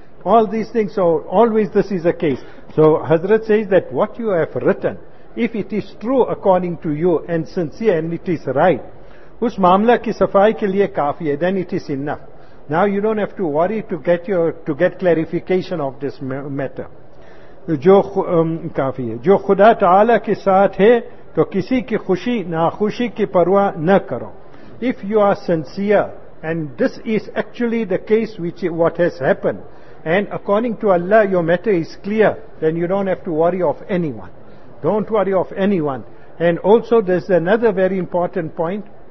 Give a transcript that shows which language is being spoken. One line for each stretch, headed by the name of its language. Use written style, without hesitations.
English: All these things, so always this is the case. So Hazrat says that what you have written, if it is true according to you and sincere and it is right,
Urdu: us mamla ki safai ke liye kafi hai,
English: then it is enough. Now you don't have to worry to get your to get clarification of this matter.
Urdu: جو کافی ہے جو خدا تعالی کے ساتھ ہے تو کسی کی خوشی ناخوشی کی پرواہ نہ کرو.
English: If you are sincere, and this is actually the case which what has happened, and according to Allah your matter is clear, then you don't have to worry of anyone. Don't worry of anyone. And also there's another very important point.